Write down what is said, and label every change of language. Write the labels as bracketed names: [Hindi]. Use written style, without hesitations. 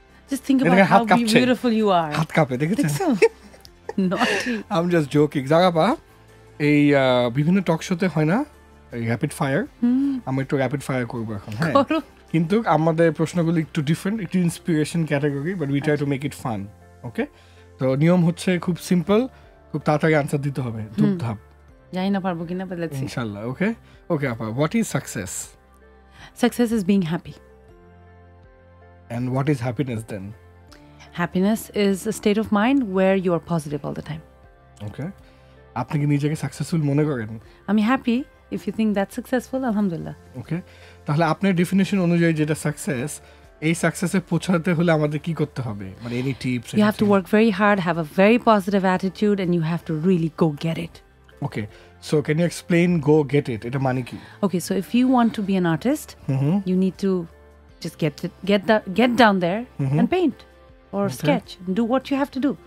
[English] Just think about how beautiful you are. [Bangla] হাত কাঁপে, দেখেছেন? [English] Naughty. I'm just joking. [Bangla] Zara, এই বিভিন্ন টক শোতে হয় না র্যাপিড ফায়ার, আমরা একটু র্যাপিড ফায়ার করবো এখন, হ্যাঁ, কিন্তু আমাদের প্রশ্নগুলো একটু ডিফারেন্ট, একটু inspiration category, [English] But we try to make it fun. [Bangla] ওকে, তো নিয়ম হচ্ছে খুব সিম্পল, খুব তাড়াতাড়ি আনসার দিতে হবে, দু ধাপ। জানি না পারবো কিনা, [English] But let's see ইনশাআল্লাহ। Okay okay আপা, what is success? Success is being happy. And what is happiness then? Happiness is a state of mind where you are positive all the time. [Bangla] Okay. আপনি কি নিজেকে সাকসেসফুল মনে করেন? আমি [English] Happy, if you think that's successful, আলহামদুলিল্লাহ। [Bangla] ওকে, তাহলে আপনার definition অনুযায়ী যেটা সাকসেস, এই সাকসেসে পৌঁছাতে হলে আমাদের কি করতে হবে? মানে any tips? [English] You have to work very hard, have a very positive attitude and you have to really go get it. Okay. So can you explain go get it? [Bangla] এটা মানে কি? [English] Okay, so if you want to be an artist, you need to just get down there and paint or sketch, do what you have to do.